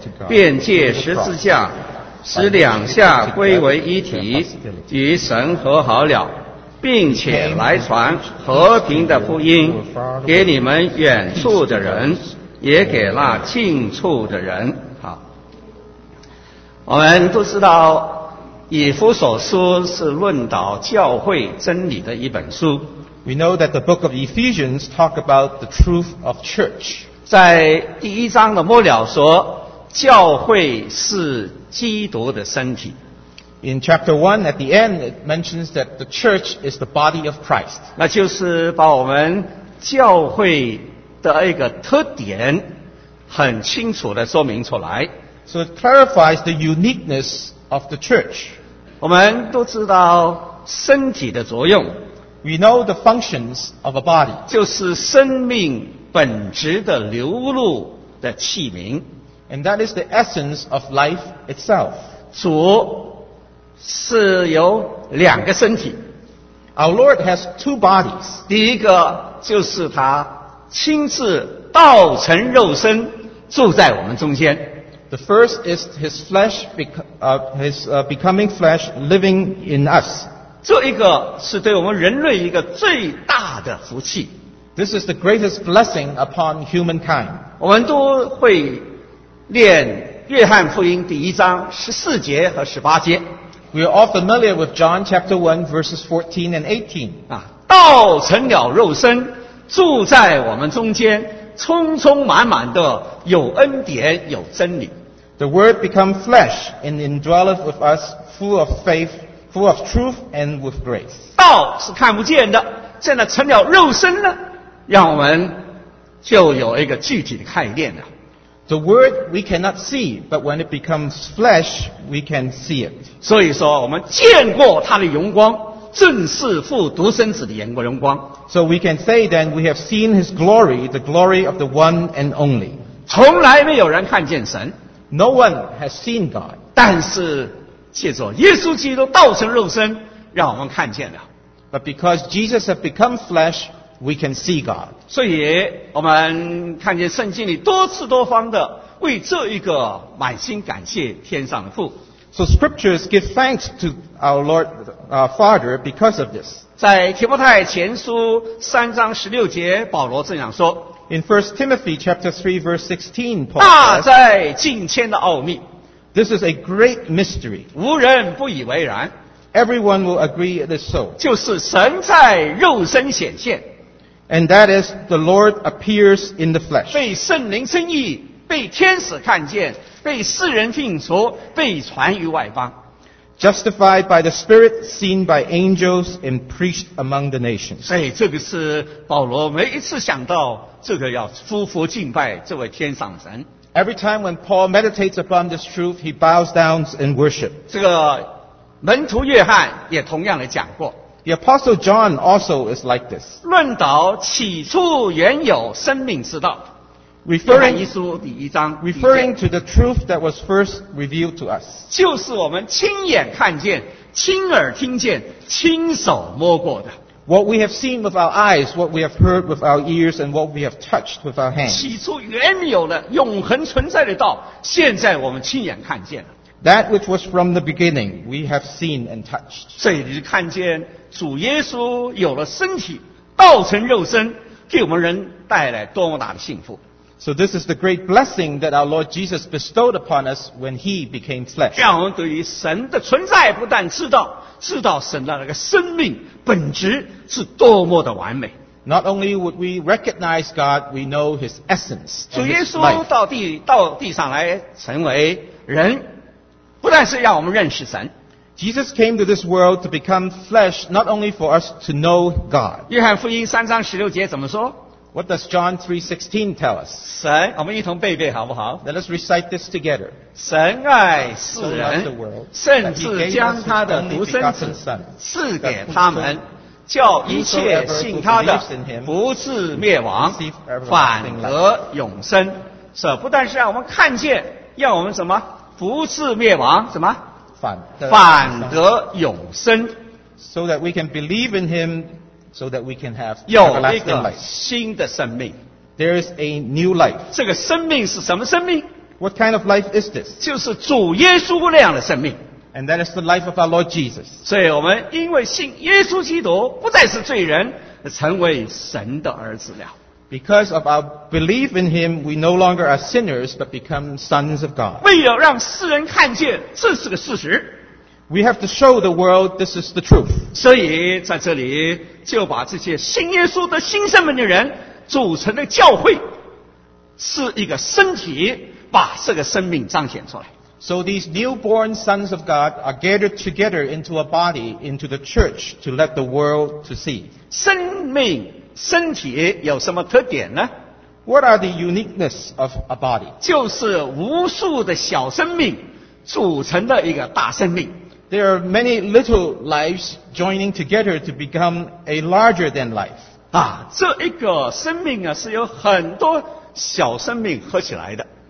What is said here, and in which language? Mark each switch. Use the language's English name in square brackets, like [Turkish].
[Chinese] 便借十字架使两下归为一体，与神和好了，并且来传和平的福音给你们远处的人，也给那近处的人。好，我们都知道以弗所书是论导教会真理的一本书。 [English] We know that the book of Ephesians talk about the truth of church. [Chinese] 在第一章的末了说，教会是基督的身体。 [English] In chapter 1, at the end, it mentions that the church is the body of Christ. [Chinese] 那就是把我们教会的一个特点很清楚地说明出来。 [English] So it clarifies the uniqueness of the church. [Chinese] 我们都知道身体的作用。 [English] We know the functions of a body. [Chinese] 就是生命本质的流露的器皿。 [English] And that is the essence of life itself. [Chinese] 主是由两个身体。 [English] Our Lord has two bodies. [Chinese] 第一个就是他亲自道成肉身住在我们中间。 [English] The first is his flesh, becoming flesh, living in us. [Chinese] 这一个是对我们人类一个最大的福气。 [English] This is the greatest blessing upon humankind. [Chinese] 我们都会念约翰福音第一章十四节和十八节。 [English] We are all familiar with John chapter 1 verses 14 and 18. [Chinese] 啊，道成了肉身，住在我们中间，充充满满的有恩典，有真理。 [English] The word become flesh and indwelleth with us, full of faith, full of truth and with grace. [Chinese] 道是看不见的，现在成了肉身呢，让我们就有一个具体的概念了。 [English] The word we cannot see, but when it becomes flesh, we can see it. [Chinese] 所以说我们见过他的荣光，正是父独生子的荣光。 [English] So we can say then we have seen his glory, the glory of the one and only. [Chinese] 从来没有人看见神。 [English] No one has seen God. [Chinese] 但是借着耶稣基督道成肉身，让我们看见了。 [English] But because Jesus has become flesh,We can see God. [Chinese] 所以我们看见圣经里多次多方的为这一个满心感谢天上的父。 [English] So scriptures give thanks to our Lord, our Father because of this. [Chinese] 在提摩太前书三章十六节保罗这样说。 [English] In 1 Timothy chapter 3 verse 16, Paul says, [Chinese] 大哉敬虔的奥秘。 [English] This is a great mystery. [Chinese] 无人不以为然。 [English] Everyone will agree it is so. [Chinese] 就是神在肉身显现。 [English] And that is, the Lord appears in the flesh. [Chinese] 被圣灵称义，被天使看见，被世人听说，被传于外邦。 [English] Justified by the Spirit, seen by angels, and preached among the nations. [Chinese] 所以这个是保罗每一次想到这个要匍匐敬拜这位天上神。 [English] Every time when Paul meditates upon this truth, he bows down and worship. [Chinese] 这个门徒约翰也同样的讲过。 [English] The Apostle John also is like this. [Chinese] 论导起初原有生命之道。 [English] Referring to the truth that was first revealed to us. [Chinese] 就是我们亲眼看见，亲耳听见，亲手摸过的。 [English] What we have seen with our eyes, what we have heard with our ears, and what we have touched with our hands. [Chinese] 起初原有的永恒存在的道，现在我们亲眼看见了。 [English] That which was from the beginning, we have seen and touched. [Chinese] 所以你就看见主耶稣有了身体，道成肉身，给我们人带来多么大的幸福。 [English] So this is the great blessing that our Lord Jesus bestowed upon us when he became flesh. [Chinese] 让我们对于神的存在不但知道，知道神的那个生命本质是多么的完美。 [English] Not only would we recognize God, we know his essence. [Chinese] 主耶稣到地上来成为人，不但是让我们认识神。 [English] Jesus came to this world to become flesh, not only for us to know God. [Chinese] 约翰福音三章十六节怎么说？ [English] What does John 3:16 tell us? [Chinese] 神，我们一同背背好不好？ [English] Let us recite this together. [Chinese] 神爱世人，甚至将他的独生子赐给他们，叫一切信他的不至灭亡，反得永生。这不但是让我们看见，让我们什么？不至灭亡，什么？反得永生。 [English] So that we can believe in him, so that we can have everlasting life. [Chinese] 有一个新的生命。 [English] There is a new life. [Chinese] 这个生命是什么生命？ [English] What kind of life is this? [Chinese] 就是主耶稣那样的生命。 [English] And that is the life of our Lord Jesus. [Chinese] 所以我们因为信耶稣基督，不再是罪人，成为神的儿子了。 [English] Because of our belief in him, we no longer are sinners, but become sons of God. [Chinese] 为了让世人看见，这是个事实。 [English] We have to show the world this is the truth. [Chinese] 所以在这里就把这些信耶稣的新生命的人组成的教会，是一个身体，把这个生命彰显出来。 [English] So these newborn sons of God are gathered together into a body, into the church, to let the world to see. [Chinese] 生命身体有什么特点呢？ [English] What are the uniqueness of a body? [Chinese] 就是无数的小生命组成的一个大生命。 [English] There are many little lives joining together to become a larger than life. [Chinese] 啊，这一个生命啊，是由很多小生命合起来的。